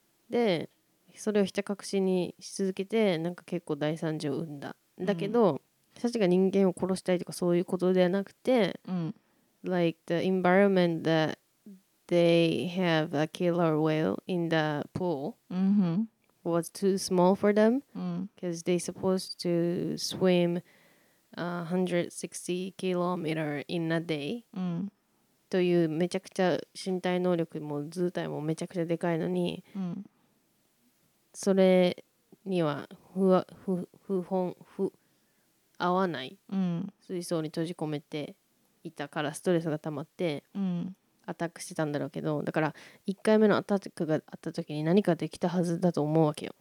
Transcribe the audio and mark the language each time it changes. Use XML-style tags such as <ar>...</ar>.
<ja>でそれをひた隠しにし続けてなんか結構大惨事を生んだだけど、うん、私たちが人間を殺したいとかそういうことではなくて、うん、</ja> <en>like the environment that they have a killer whale in the pool、 mm-hmm. was too small for them because、 mm. they supposed to swim 160 kilometer in a day、 mm.</en> <ja>というめちゃくちゃ身体能力も図体もめちゃくちゃでかいのに、 mm. それには不合わない水槽に閉じ込めていたからストレスが溜まってアタックしてたんだろうけど、だから1回目のアタックがあった時に何かできたはずだと思うわけよ、</ja>